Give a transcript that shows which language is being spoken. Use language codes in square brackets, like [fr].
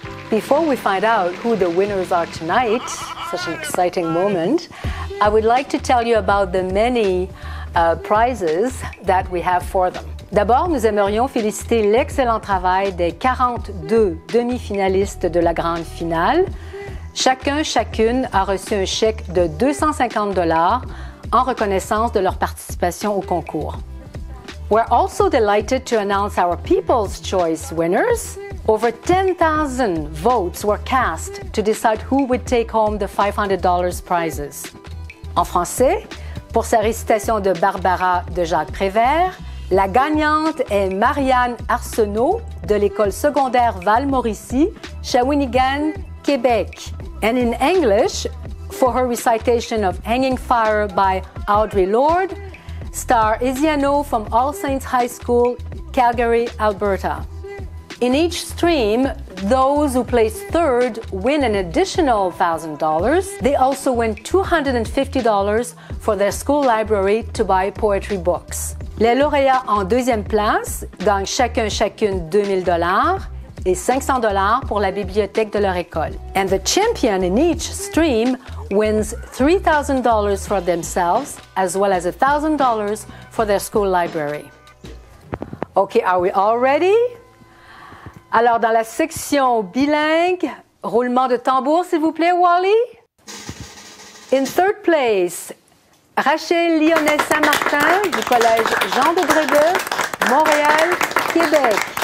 [en] Before we find out who the winners are tonight, such an exciting moment, I would like to tell you about the many prizes that we have for them. [fr] D'abord, nous aimerions féliciter l'excellent travail des 42 demi-finalistes de la grande finale. Chacun, chacune a reçu un chèque de $250 en reconnaissance de leur participation au concours. [en] We're also delighted to announce our People's Choice winners. Over 10,000 votes were cast to decide who would take home the $500 prizes. [fr] En français, pour sa récitation de Barbara de Jacques Prévert, la gagnante est Marianne Arsenault de l'école secondaire Val-Mauricie, Shawinigan, Québec. [en] And in English, for her recitation of Hanging Fire by Audre Lorde, Star Isiano from All Saints High School, Calgary, Alberta. In each stream, those who place third win an additional $1,000. They also win $250 for their school library to buy poetry books. [fr] Les lauréats en deuxième place gagnent chacun chacune $2,000 et $500 pour la bibliothèque de leur école. [en] And the champion in each stream wins $3,000 for themselves as well as $1,000 for their school library. Okay, are we all ready? [fr] Alors, dans la section bilingue, roulement de tambour, s'il vous plaît, Wally. [en] In third place, Rachel Lyonnais-Saint-Martin du Collège Jean de Brébeuf, Montréal, Québec.